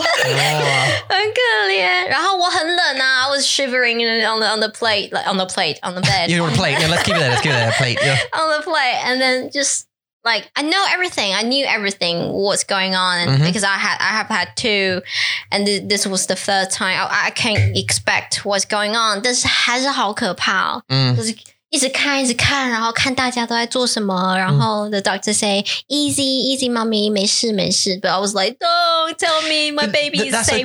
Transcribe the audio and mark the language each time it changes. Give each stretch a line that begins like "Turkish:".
English: Like,
Chinese: 可怜。然后我很冷啊。
English: I was shivering on the bed. You're on a plate. Yeah, let's keep it there. Plate. Yeah. On the plate, and then just. Like, I know everything. I knew everything, what's going on. And because I have had two, and this was the third time. I can't expect what's going on.
Chinese: 但是还是好可怕。就是一直看，然后看大家都在做什么。然后
English: the doctor say, easy, mommy,
Chinese: 没事。
English: But I was like, don't tell me my baby is safe.